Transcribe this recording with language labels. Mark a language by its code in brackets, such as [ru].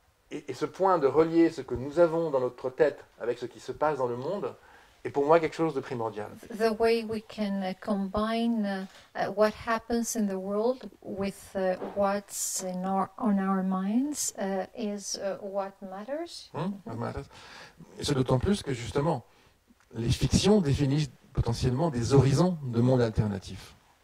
[fr] Et ce point de relier ce que nous avons dans notre tête avec ce qui se passe dans le monde est pour moi quelque chose de primordial. [en] The way we can combine what happens in the world with what's in on our minds is what matters. What matters. [fr] Et c'est d'autant plus que justement les fictions définissent potentiellement des horizons de monde alternatif.